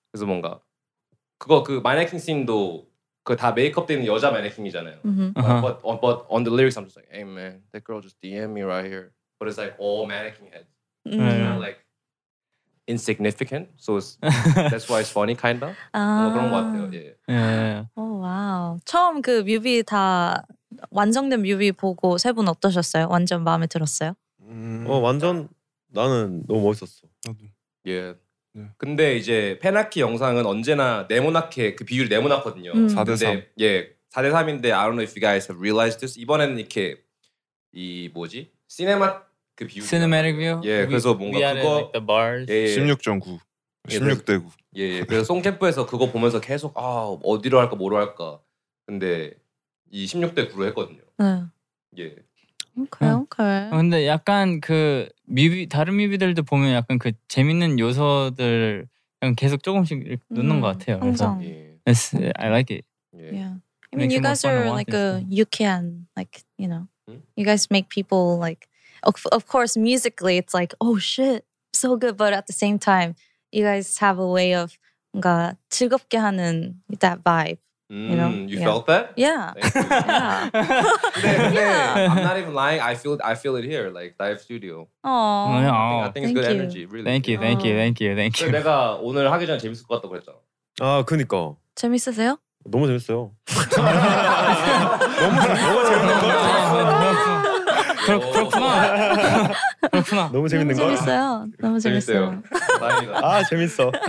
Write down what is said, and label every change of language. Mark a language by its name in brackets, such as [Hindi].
[Korean] 그래서 뭔가 그거 그 마네킹 씬도 그 다 메이크업 되는 여자 마네킹이잖아요. [English] Mm-hmm. Uh-huh. But on the lyrics, I'm just like, hey man, that girl just DM me right here. But it's like all mannequin heads. Mm-hmm. It's kind of like insignificant, so it's, that's why it's funny, kind of. [Korean] 그런 것 같아요. Yeah. [English] Oh wow. [Korean] 처음 그 뮤비 다 완성된 뮤비 보고 세 분 어떠셨어요? 완전 마음에 들었어요? 완전 나는 너무 멋있었어. 나도. [English] Yeah. Yeah. [Korean] 근데 이제 페나키 영상은 언제나 네모나게 그 비율이 네모났거든요. 4대3. 예, 4대3인데 [English] I don't know if you guys have realized this. [Korean] 이번에는 이렇게 이 뭐지? 시네마 그 비율. [English] Cinematic view. [Korean] 예, 그래서 뭔가 그거 [English] like the bars. [Korean] 예, 예. 16.9. 16:9. 예, 예. 그래서 송캠프에서 그거 보면서 계속 아, 어디로 할까 뭐로 할까. 근데 이 16:9로 했거든요. 예. 그래요? 그래. 근데 약간 그 뮤비 다른 뮤비들도 보면 약간 그 재밌는 요소들 그냥 계속 조금씩 넣는 것 같아요. 그래서 예. [English] I like it. Yeah. I mean you guys are like a you can like, you know. You guys make people like of course, musically, it's like, oh shit, so good. But at the same time, you guys have a way of [Korean] 뭔가 즐겁게 하는 [English] that vibe, you know? You yeah. felt that? Yeah. Thank you. Yeah. [Korean] 근데, 근데 [English] I'm not even lying. I feel it here, like live studio. Aww. I think it's thank good you. Energy, really. Thank you, thank you, thank you, thank you. [Korean] 내가 오늘 하기 전에 재밌을 것 같다고 그랬잖아. 아, 그니까. 재밌으세요? 너무 재밌어요. 너무 재밌는 것 같아. 그렇구나. 너무 재밌는 거 재밌어요. 너무 재밌어요. 재밌어요. 아 재밌어.